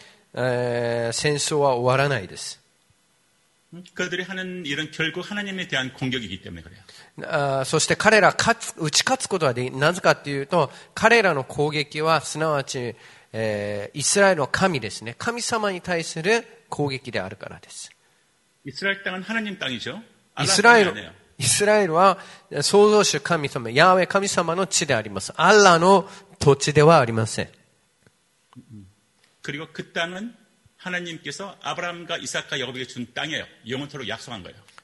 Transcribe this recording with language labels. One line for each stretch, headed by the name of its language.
Japanese: でもそのイスラエルを攻撃はしてくるんですけど、それをイスラエルを攻撃したことで戦争は終わらないです。
Korean: 그들이 하는 일은 결국 하나님에 대한 공격이기 때문에 그래요.
Japanese: そして彼ら打ち勝つことはなぜかというと、彼らの攻撃はすなわち
Korean: 이스라엘의 하나님
Japanese: ですね.
Korean: 하나님에 대한 공격이
Japanese: であるからです.
Korean: 이스라엘 땅은 하나님 땅이죠. 이스라엘은 창조주 하나님, 야훼 하나님의 땅입니다. 알라의 토지ではあ 아닙니다. 그리고 그 땅은 하나님께서 아브라함과 이삭과 야곱에게 준 땅이에요. 영원토록 약속한 거예요.